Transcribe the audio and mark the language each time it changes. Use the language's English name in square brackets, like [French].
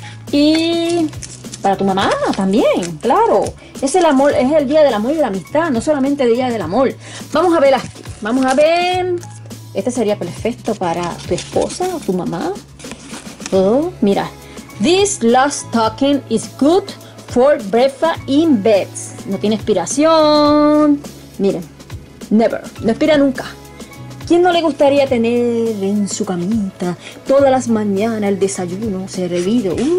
[Spanish] Y para tu mamá también, claro. Es el amor, es el día del amor y de la amistad, no solamente el día del amor. Vamos a ver aquí, vamos a ver. Este sería perfecto para tu esposa o tu mamá. Todo, mira. [English] This last token is good for breakfast in bed. [Spanish] No tiene expiración. Miren, never, no expira nunca. ¿Quién no le gustaría tener en su camita todas las mañanas el desayuno servido?